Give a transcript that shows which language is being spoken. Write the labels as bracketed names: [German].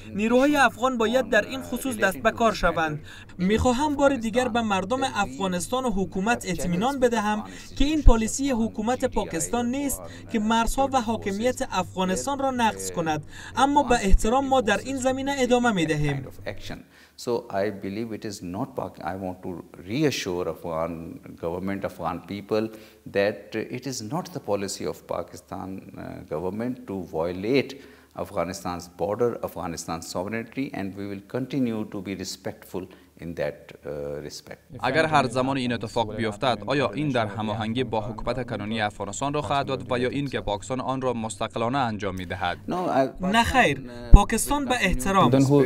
[Persian] نیروهای افغان باید در این خصوص دست به کار شوند. می خواهم بار دیگر به مردم افغانستان و حکومت اطمینان بدهم که این پالیسی حکومت پاکستان نیست که مرزها و حاکمیت افغانستان را نقض کند، اما به احترام ما در این زمینه ادامه می دهیم. [English] So I believe it is not I want to reassure Afghan government, Afghan people that it is not the policy of Pakistan government to violate Afghanistan's border, Afghanistan's sovereignty and we will continue to be respectful in that respect. [Persian] اگر هر زمان این اتفاق بیفتد، آیا این در هماهنگی با حکومت کنونی افغانستان را خواهد داد و یا این که پاکستان آن را مستقلانه انجام می دهد؟ نه خیر، پاکستان به احترام